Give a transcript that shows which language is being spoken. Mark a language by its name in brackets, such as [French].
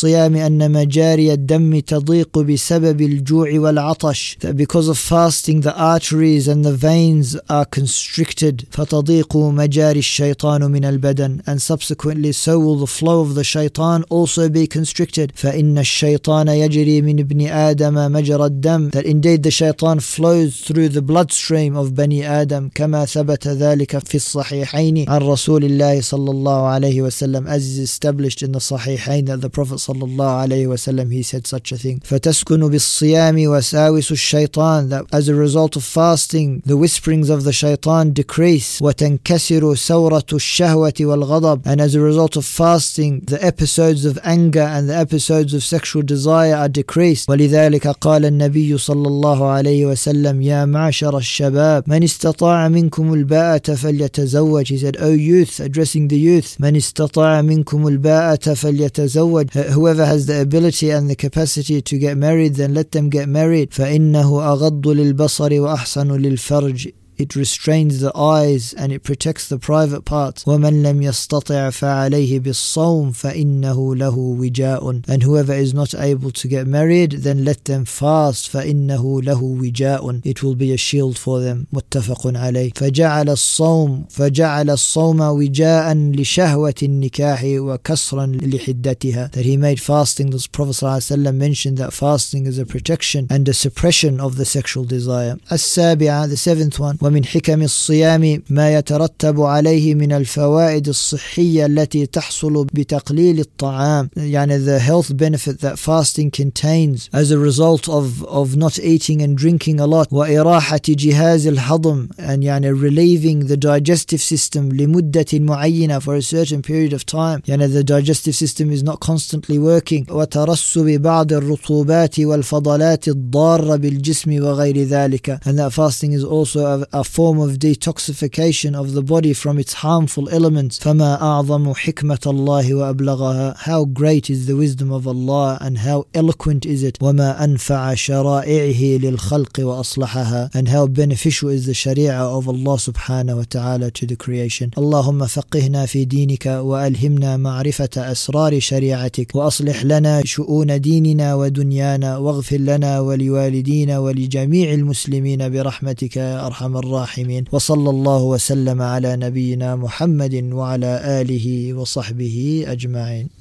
[Arabic] الصيام أن مجاري الدم تضيق بسبب الجوع والعطش. [English] That because of fasting, the arteries and the veins are constricted. [Arabic] فتضيق مجاري الشيطان من البدن. [English] And subsequently, so will the flow of the shaytan also be constricted. [Arabic] فإن الشيطان يجري من ابن آدم مجرى الدم. [English] That indeed the shaytan flows through the bloodstream of Bani Adam. [Arabic] كما ثبت ذلك في الصحيحين عن رسول الله صلى الله عليه وسلم. [English] As is established in the Sahihain that the Prophet صلى الله عليه وسلم, he said such a thing. [Arabic] فتسكن بالصيام وساوس الشيطان. [English] That as a result of fasting, the whisperings of the shaytan decrease. [Arabic] وتنكسر ثورة الشهوة والغضب. [English] And as a result of fasting, the episodes of anger and the episodes of sexual desire are decreased. [Arabic] ولذلك قال النبي صلى الله عليه وسلم يا معشر الشباب من استطاع منكم الباءة فليتزوج. [English] He said, O youth, addressing the youth, [Arabic] من استطاع منكم الباءة فليتزوج. [English] Whoever has the ability and the capacity to get married, then let them get married. [Arabic] فإنه أغض للبصر وأحسن للفرج. [English] It restrains the eyes and it protects the private parts. [Arabic] وَمَنْ لَمْ يَسْتَطِعْ فَعَلَيْهِ بِالصَّوْمِ فَإِنَّهُ لَهُ وِجَاءٌ. [English] And whoever is not able to get married, then let them fast. [Arabic] فَإِنَّهُ لَهُ وِجَاءٌ. [English] It will be a shield for them. [Arabic] مُتَّفَقٌ عَلَيْهِ. فَجَعَلَ الصَّوْمَ وِجَاءً لِشَهْوَةِ النِّكَاحِ وَكَسْرًا لِحِدَّتِهَا. [English] That he made fasting, the Prophet ﷺ mentioned that fasting is a protection and a suppression of the sexual desire. [Arabic] السابعة, [English] the seventh one. [Arabic] ومن حكم الصيام ما يترتب عليه من الفوائد الصحية التي تحصل بتقليل الطعام. [English] يعني the health benefit that fasting contains as a result of not eating and drinking a lot. [Arabic] وإراحة جهاز الهضم. [English] And يعني relieving the digestive system [Arabic] لمدة معينة [English] for a certain period of time. يعني the digestive system is not constantly working. [Arabic] وترسب بعض الرطوبات والفضلات الضارة بالجسم وغير ذلك. [English] And that fasting is also a form of detoxification of the body from its harmful elements. [Arabic] فما أعظم حكمة الله وأبلغها. [English] How great is the wisdom of Allah and how eloquent is it. [Arabic] وما أنفع شرائعه للخلق وأصلحها. [English] And how beneficial is the sharia of Allah subhanahu wa ta'ala to the creation. [Arabic] اللهم فقهنا في دينك وألهمنا معرفة أسرار شريعتك وأصلح لنا شؤون ديننا ودنيانا واغفر لنا ولوالدينا ولجميع المسلمين برحمتك يا أرحم الراحمين. وصلى الله وسلم على نبينا محمد وعلى آله وصحبه أجمعين.